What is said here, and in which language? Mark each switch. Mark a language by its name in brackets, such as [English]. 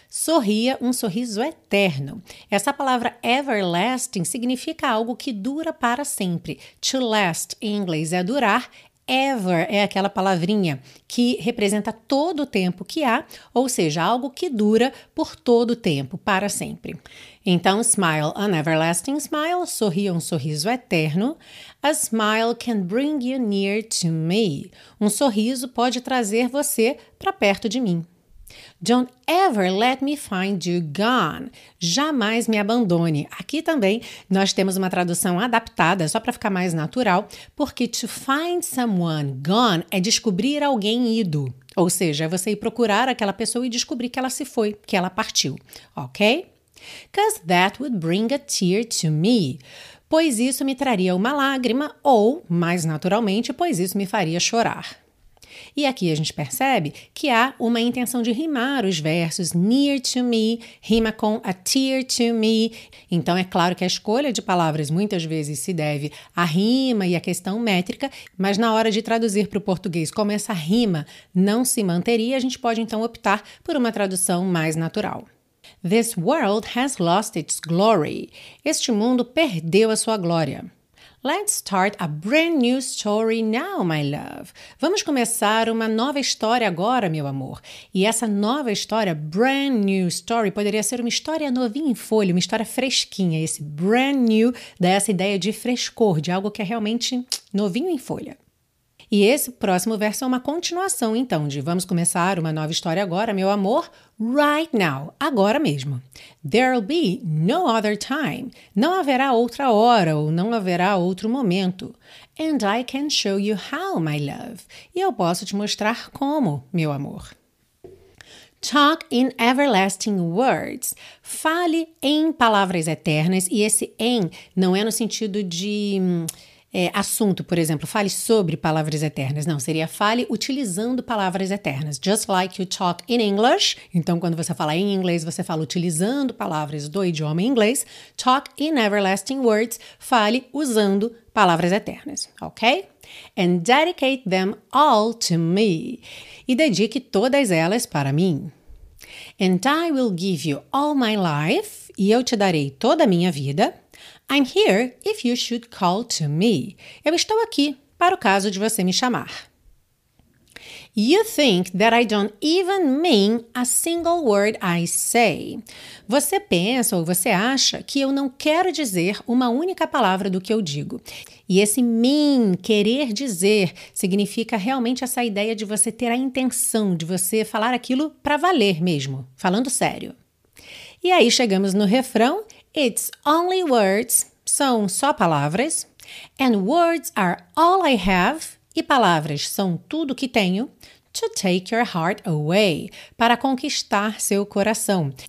[Portuguese] Sorria um sorriso eterno. Essa palavra everlasting significa algo que dura para sempre. To last, em inglês, é durar. Ever é aquela palavrinha que representa todo o tempo que há, ou seja, algo que dura por todo o tempo, para sempre. Então, [English] smile an everlasting smile. [Portuguese] Sorria um sorriso eterno. [English] A smile can bring you near to me. [Portuguese] Um sorriso pode trazer você para perto de mim. [English] Don't ever let me find you gone. [Portuguese] Jamais me abandone. Aqui também nós temos uma tradução adaptada, só para ficar mais natural, porque [English] to find someone gone [Portuguese] é descobrir alguém ido. Ou seja, é você ir procurar aquela pessoa e descobrir que ela se foi, que ela partiu. Ok? [English] Because that would bring a tear to me. [Portuguese] Pois isso me traria uma lágrima ou, mais naturalmente, pois isso me faria chorar. E aqui a gente percebe que há uma intenção de rimar os versos [English] near to me, [Portuguese] rima com [English] a tear to me. [Portuguese] Então é claro que a escolha de palavras muitas vezes se deve à rima e à questão métrica, mas na hora de traduzir para o português como essa rima não se manteria, a gente pode então optar por uma tradução mais natural. [English] This world has lost its glory. [Portuguese] Este mundo perdeu a sua glória. [English] Let's start a brand new story now, my love. [Portuguese] Vamos começar uma nova história agora, meu amor. E essa nova história, [English] brand new story, [Portuguese] poderia ser uma história novinha em folha, uma história fresquinha. Esse brand new dá essa ideia de frescor, de algo que é realmente novinho em folha. E esse próximo verso é uma continuação, então, de vamos começar uma nova história agora, meu amor, [English] right now, [Portuguese] agora mesmo. [English] There'll be no other time. [Portuguese] Não haverá outra hora ou não haverá outro momento. [English] And I can show you how, my love. [Portuguese] E eu posso te mostrar como, meu amor. [English] Talk in everlasting words. [Portuguese] Fale em palavras eternas. E esse em não é no sentido de assunto, por exemplo, fale sobre palavras eternas. Não, seria fale utilizando palavras eternas. [English] Just like you talk in English. [Portuguese] Então, quando você fala em inglês, você fala utilizando palavras do idioma inglês. [English] Talk in everlasting words. [Portuguese] Fale usando palavras eternas, ok? [English] And dedicate them all to me. [Portuguese] E dedique todas elas para mim. [English] And I will give you all my life. [Portuguese] E eu te darei toda a minha vida. [English] I'm here if you should call to me. [Portuguese] Eu estou aqui para o caso de você me chamar. [English] You think that I don't even mean a single word I say. [Portuguese] Você pensa ou você acha que eu não quero dizer uma única palavra do que eu digo. E esse mean, querer dizer, significa realmente essa ideia de você ter a intenção, de você falar aquilo pra valer mesmo, falando sério. E aí chegamos no refrão, [English] it's only words, [Portuguese] são só palavras, [English] and words are all I have, [Portuguese] e palavras são tudo que tenho, [English] to take your heart away, [Portuguese] para conquistar seu coração.